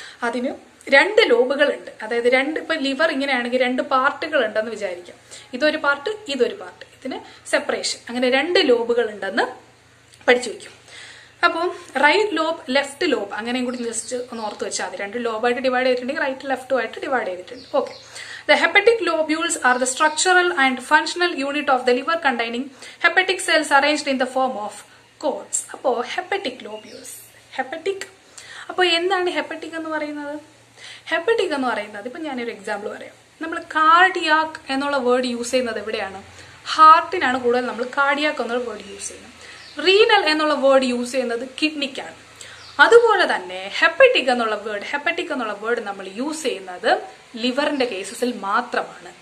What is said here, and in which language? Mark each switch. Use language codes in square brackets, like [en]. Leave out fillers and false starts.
[ml] അതിന് രണ്ട് ലോബുകളുണ്ട്. അതായത് രണ്ട്, ഇപ്പൊ ലിവർ ഇങ്ങനെയാണെങ്കിൽ രണ്ട് പാർട്ടുകൾ ഉണ്ടെന്ന് വിചാരിക്കാം. ഇതൊരു പാർട്ട്, ഇതൊരു പാർട്ട്, ഇതിന് സെപ്പറേഷൻ. അങ്ങനെ രണ്ട് ലോബുകൾ ഉണ്ടെന്ന് പഠിച്ചു വയ്ക്കും. അപ്പോൾ റൈറ്റ് ലോബ്, ലെഫ്റ്റ് ലോബ് അങ്ങനെയും കൂടി ജസ്റ്റ് ഒന്ന് ഓർത്ത് വെച്ചാൽ മതി. രണ്ട് ലോബായിട്ട് ഡിവൈഡ് ചെയ്തിട്ടുണ്ടെങ്കിൽ റൈറ്റ് ലെഫ്റ്റ് ആയിട്ട് ഡിവൈഡ് ചെയ്തിട്ടുണ്ട്. Okay. [en] The hepatic lobules are the structural and functional unit of the liver containing hepatic cells arranged in the form of cords. [ml] അപ്പോ hepatic lobules, hepatic. അപ്പോ എന്താണ് hepatic എന്ന് പറയുന്നത്? hepatic എന്ന് പറയുന്നത്, ഇപ്പൊ ഞാനൊരു എക്സാമ്പിൾ പറയാം. നമ്മൾ കാർഡിയാക് എന്നുള്ള വേർഡ് യൂസ് ചെയ്യുന്നത് എവിടെയാണ്? ഹാർട്ടിനാണ് കൂടുതൽ നമ്മൾ കാർഡിയാക് എന്നുള്ള വേർഡ് യൂസ് ചെയ്യുന്നത്. റീനൽ എന്നുള്ള വേർഡ് യൂസ് ചെയ്യുന്നത് കിഡ്നിക്കാണ്. അതുപോലെ തന്നെ ഹെപ്പറ്റിക് എന്നുള്ള വേർഡ്, ഹെപ്പറ്റിക് എന്നുള്ള വേർഡ് നമ്മൾ യൂസ് ചെയ്യുന്നത് ലിവറിന്റെ കേസസിൽ മാത്രമാണ്.